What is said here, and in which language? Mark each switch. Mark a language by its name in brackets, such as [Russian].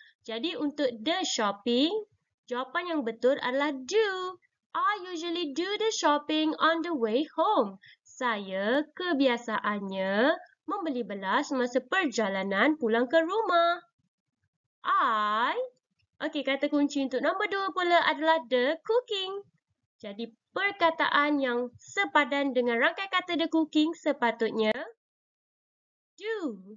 [Malay] Jadi untuk [English] the shopping, [Malay] jawapan yang betul adalah do. [English] I usually do the shopping on the way home. [Malay] Saya kebiasaannya membeli belah semasa perjalanan pulang ke rumah. Okey, kata kunci untuk nombor 2 pula adalah [English] the cooking. [Malay] Jadi, perkataan yang sepadan dengan rangkaian kata [English] the cooking [Malay] sepatutnya do.